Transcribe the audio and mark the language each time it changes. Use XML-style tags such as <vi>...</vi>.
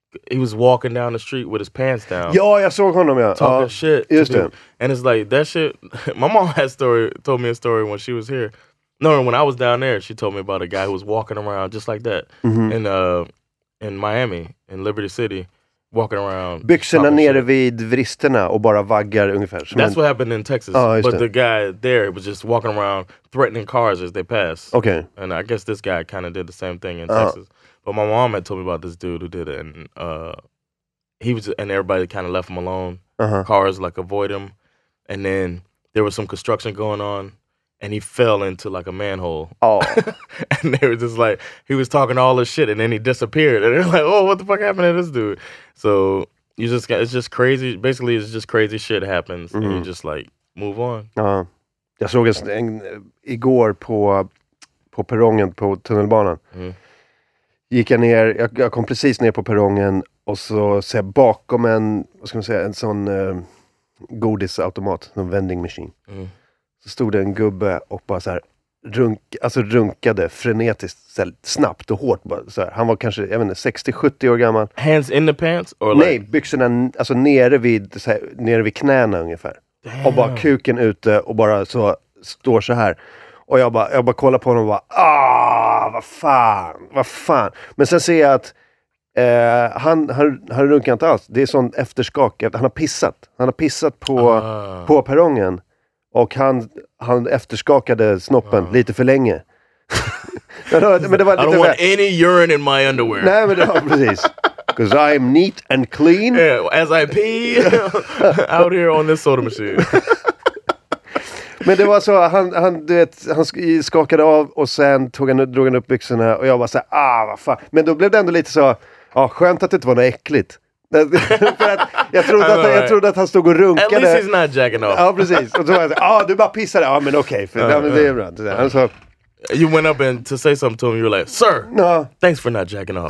<en>He was walking down the street with his pants down. Yo, I saw him, yeah. Talking shit. And it's like, that shit, my mom told me a story when she was here. No, when I was down there, she told me about a guy who was walking around just like that in Miami, in Liberty City, walking around.</en> <sv>Byxorna nere vid vristerna och bara vaggar ungefär.</sv> <en>That's what happened in Texas. The guy there was just walking around threatening cars as they passed. Okay. And I guess this guy kind of did the same thing in Texas. But my mom had told me about this dude who did it, and everybody kind of left him alone. Uh-huh. Cars like avoid him, and then there was some construction going on, and he fell into like a manhole. Oh, and they were just like, he was talking all this shit, and then he disappeared, and they're like, oh, what the fuck happened to this dude? So you just got, it's just crazy. Basically, it's just crazy shit happens, and you just like move on.</en> <sv>Jag såg igår på perrongen på tunnelbanan. Gick jag ner, jag kom precis ner på perrongen och så ser jag bakom en, vad ska man säga, en sån godisautomat, en vending machine. Mm. Så stod det en gubbe och bara så här runkade frenetiskt, så här, snabbt och hårt. Bara så här. Han var kanske, jag vet inte, 60-70 år gammal.</sv> <en>Hands in the pants? Or</en> <sv>nej, like... byxorna alltså nere vid knäna ungefär.</sv> <en>Damn.</en> <sv>Och bara kuken ute och bara så står så här. Och jag bara kollar på honom och bara, vad fan. Men sen ser jag att han runkar inte alls. Det är sån efterskak. Han har pissat. Han har pissat på perrongen. Och han efterskakade snoppen lite för länge. men det var</sv> <en>I don't want any urine in my underwear.</en> <sv>Nej, men det var precis.</sv> <en>Because I'm neat and clean. Yeah, as I pee out here on this soda machine.</en> <sv>Men det var så, han skakade av och sen drog han upp byxorna och jag bara såhär, vad fan. Men då blev det ändå lite så, skönt att det inte var något äckligt. För att jag trodde att han stod och runkade.</sv> <en>At least he's not jacking off.</en> <sv>Ja, precis. Och så var jag såhär, du bara pissade. Men okej, det är bra. Alltså,</sv> <en>you went up and to say something to him, you were like, sir, thanks for not jacking off.</en>